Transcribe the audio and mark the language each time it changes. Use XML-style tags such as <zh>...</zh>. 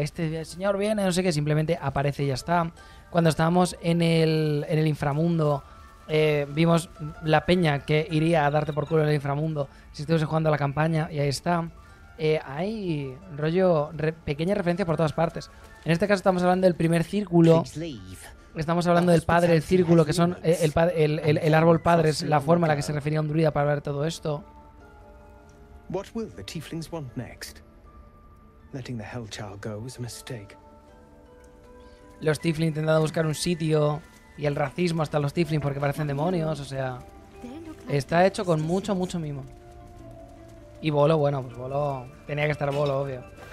<es>Este señor viene, no sé qué, simplemente aparece y ya está. Cuando estábamos en el inframundo, vimos la peña que iría a darte por culo en el inframundo si estuviese jugando a la campaña, y ahí está. Hay rollo pequeñas referencias por todas partes. En este caso estamos hablando del primer círculo. Estamos hablando del padre, el círculo, que son el árbol padre, es la forma a la que se refería un druida para ver todo esto.</es> <en>What will the tieflings want next? Letting the hell child go was a mistake.</en> <es>Los tieflings intentando buscar un sitio, y el racismo hasta los tieflings porque parecen demonios, o sea, está hecho con mucho mimo. Y Bolo, bueno, pues Bolo... Tenía que estar Bolo, obvio.</es>